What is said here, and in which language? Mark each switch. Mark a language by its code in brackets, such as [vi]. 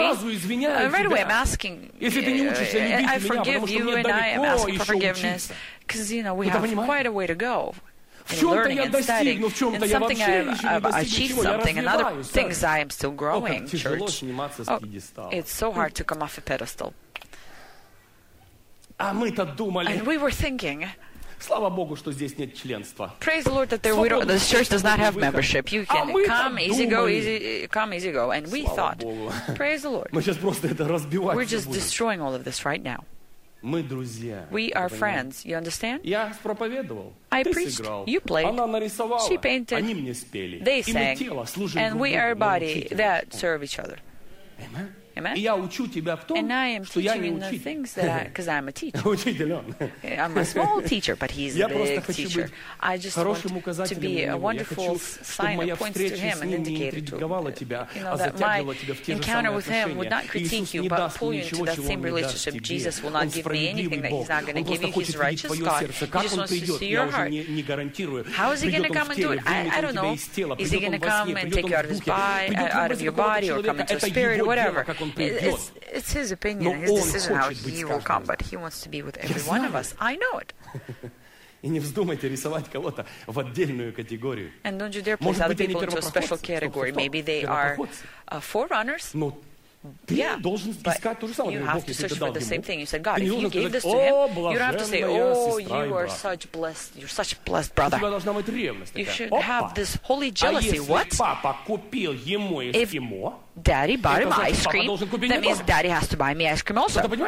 [en] Right away I'm asking, I forgive you and I am asking for forgiveness because, you know, we have quite a way to go in learning and studying. In something I've achieved something, and other things I am still growing, church. Oh, it's so hard to come off a pedestal. And we were thinking, [ru] слава Богу, что здесь нет членства. [en] Praise the Lord that there we don't, this church does not have membership. You can come, easy go, easy go. And we thought, praise the Lord. [ru] Мы сейчас просто это разбивать. [en] We're just destroying all of this right now. [ru] Мы друзья. [en] We are friends. You understand? [ru] Я проповедовал. [en] I preached. You played. [ru] Она нарисовала. [en] She painted. [ru] Они мне спели. [en] They sang. [ru] И мы тело служим. [en] And we are body that serve each other. Amen. Amen. [ru] И я учу тебя в том, что я не учитель. [en] And I am teaching you the things that, because I'm a teacher. [ru] Учитель он. [en] I'm a small teacher, but he's a big teacher. I just want to be a wonderful sign that points to him and indicator to him. You know, that my encounter with him would not critique you, but pull you into that same relationship. Jesus will not give me anything that he's not going to give you. He's righteous God. He just wants to see your heart. How is he going to come and do it? I don't know. Is he going to come and take you out of his body, out of your body, or come into a spirit, or whatever? It's his opinion, his decision how he will come, but he wants to be with every one of us. I know it. [ru] И не вздумайте рисовать кого-то в отдельную категорию. [en] And don't you dare place other people into a special category. Maybe they are forerunners. Но Yeah, but you have to search for the same thing. You said, God, if you gave this to him, you don't have to say, oh, you are such blessed, you're such a blessed brother. You should have this holy jealousy. What? If daddy bought him ice cream, that means daddy has to buy me ice cream also.